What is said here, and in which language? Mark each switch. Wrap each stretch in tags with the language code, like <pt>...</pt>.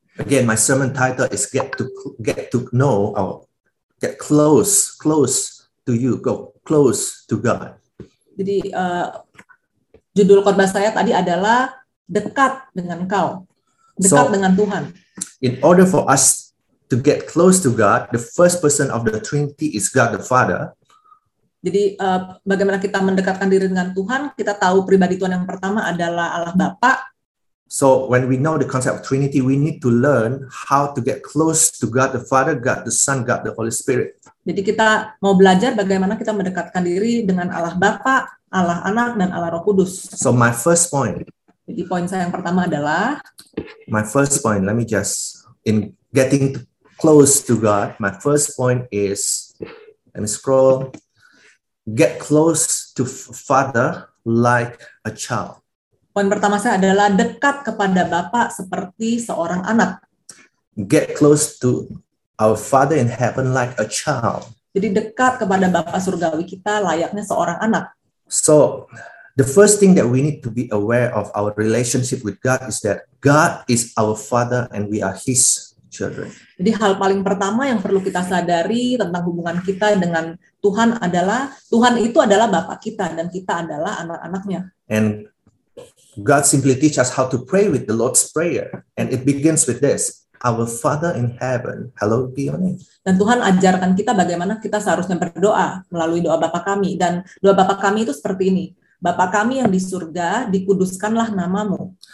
<en>Again, my sermon title is get to know or get close to you, go close to God.</en> <id>Jadi judul khotbah saya tadi adalah dekat dengan Kau, dekat dengan Tuhan.</id> <en>In order for us to get close to God, the first person of the Trinity is God the Father.</en> <id>Jadi bagaimana kita mendekatkan diri dengan Tuhan? Kita tahu pribadi Tuhan yang pertama adalah Allah Bapa.</id> <en>So when we know the concept of Trinity, we need to learn how to get close to God the Father, God the Son, God the Holy Spirit.</en> <id>Jadi kita mau belajar bagaimana kita mendekatkan diri dengan Allah Bapa, Allah Anak, dan Allah Roh Kudus.</id> <en>So my first point.</en> <id>Jadi poin saya yang pertama adalah.</id> <en>My first point. Let me just in getting close to God. My first point is, let me scroll. Get close to Father like a child.</en> <id>Poin pertama saya adalah dekat kepada Bapa seperti seorang anak.</id> <en>Get close to our Father in heaven like a child.</en> <id>Jadi dekat kepada Bapa surgawi kita layaknya seorang anak.</id> <en>So, the first thing that we need to be aware of our relationship with God is that God is our Father and we are His children.</en> <id>Jadi hal paling pertama yang perlu kita sadari tentang hubungan kita dengan Tuhan adalah Tuhan itu adalah Bapa kita dan kita adalah anak-anak-Nya.</id> <en>And God simply teaches us how to pray with the Lord's Prayer, and it begins with this: Our Father in heaven, hallowed be your name.</en> <id>Dan Tuhan ajarkan kita bagaimana kita seharusnya berdoa melalui doa Bapa kami, dan doa Bapa kami itu seperti ini: Bapa kami yang di surga, dikuduskanlah namamu.</id>